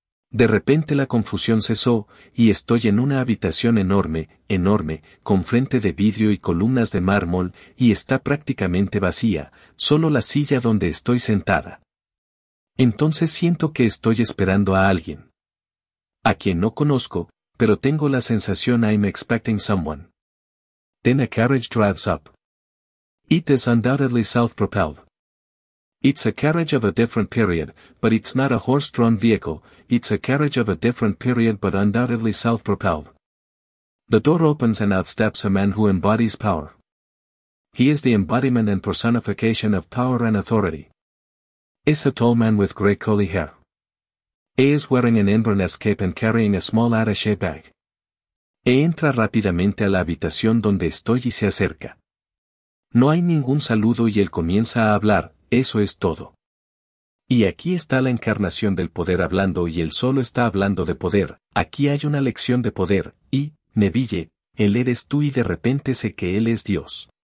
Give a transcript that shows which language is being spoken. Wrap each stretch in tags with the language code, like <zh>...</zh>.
<es>De repente la confusión cesó, y estoy en una habitación enorme, enorme, con frente de vidrio y columnas de mármol, y está prácticamente vacía, solo la silla donde estoy sentada. Entonces siento que estoy esperando a alguien. A quien no conozco, pero tengo la sensación</es> <en>I'm expecting someone. Then a carriage drives up. It is undoubtedly self-propelled. It's a carriage of a different period, but it's not a horse-drawn vehicle, it's a carriage of a different period but undoubtedly self-propelled. The door opens and out steps a man who embodies power. He is the embodiment and personification of power and authority. Is a tall man with gray curly hair. He is wearing an Inverness cape and carrying a small attaché bag. He</en> <es>entra rápidamente a la habitación donde estoy y se acerca. No hay ningún saludo y él comienza a hablar, eso es todo. Y aquí está la encarnación del poder hablando y él solo está hablando de poder, aquí hay una lección de poder, y, Neville, él eres tú y de repente sé que él es Dios.</es>